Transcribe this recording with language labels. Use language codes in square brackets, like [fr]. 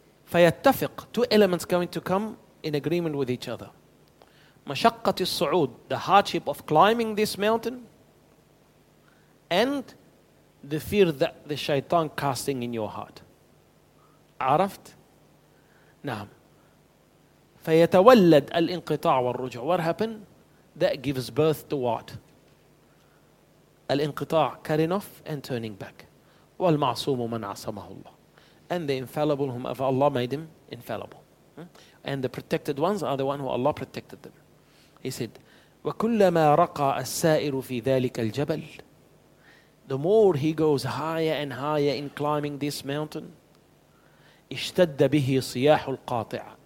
[ar] فيتفق. [en] Two elements going to come in agreement with each other. [ar] مشقة الصعود, [en] the hardship of climbing this mountain, and the fear that the shaitan casting in your heart. [ar] عرفت؟ نعم. فيتولد الانقطاع والرجوع. [en] What happened? That gives birth to what? الانقطاع, cutting off and turning back. [ar] والمعصوم من عصمه الله. [en] And the infallible whom Allah made him infallible. And the protected ones are the one who Allah protected them. He said, [ar] وكلما رقى السائر في ذلك الجبل, [en] the more he goes higher and higher in climbing this mountain, [ar] اشتد به صياح القاطع.